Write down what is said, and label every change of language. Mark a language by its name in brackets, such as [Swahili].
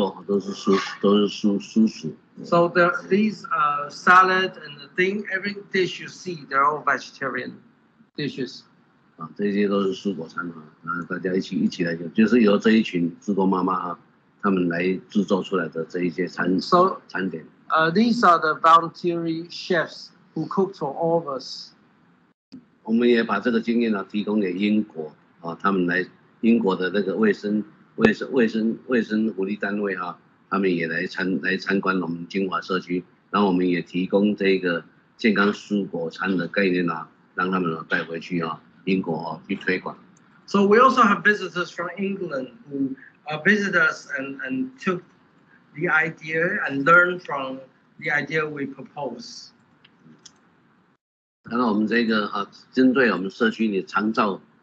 [English] So these salad and the thing, every dish you see, they're all vegetarian dishes. [Chinese] 啊，这些都是蔬果餐啊，然后大家一起来，就是由这一群蔬果妈妈啊，他们来制作出来的这一些餐点。 [English] These are the voluntary chefs who cook for all of us. [Chinese] 我们也把这个经验呢提供给英国啊，他们来英国的那个卫生。卫生福利单位啊，他们也来参观我们金华社区，然后我们也提供这个健康蔬果餐的概念啊，让他们带回去啊，英国啊去推广。 [English] So we also have visitors from England who visit us and took the idea and learned from the idea we propose. [Chinese] 然后我们这个啊，针对我们社区的长照。